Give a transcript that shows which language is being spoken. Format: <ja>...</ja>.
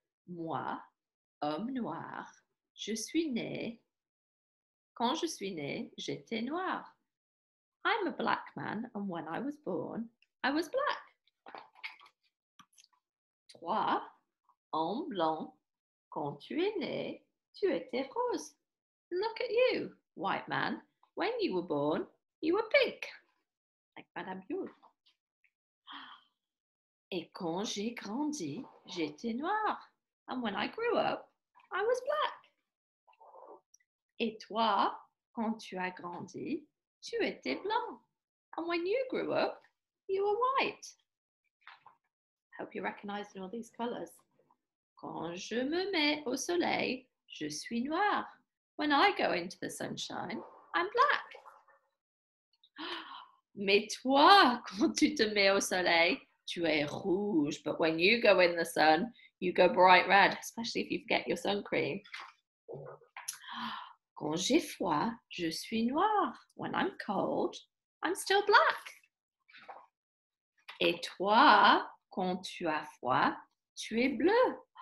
<fr>Moi, homme noir, je suis né. Quand je suis né, j'étais noir.</fr> <en>I'm a black man, and when I was born, I was black.</en> <fr>Toi, homme blanc, quand tu es né, tu étais rose.</fr> <en>Look at you, white man. When you were born, you were pink. Like Madame Bulle.</en> <fr>Et quand j'ai grandi, j'étais noir.</fr> <en>And when I grew up, I was black.</en> <fr>Et toi, quand tu as grandi, tu étais blanc.</fr> <en>And when you grew up, you were white. Hope you're recognizing all these colors.</en> <fr>Quand je me mets au soleil, je suis noir.</fr> <en>When I go into the sunshine, I'm black.</en> <fr>Mais toi, quand tu te mets au soleil, tu es rouge.</fr> <en>But when you go in the sun, you go bright red, especially if you forget your sun cream.</en> <fr>Quand j'ai froid, je suis noir.</fr> <en>When I'm cold, I'm still black.</en> <fr>Et toi, quand tu as froid, tu es bleu.</fr>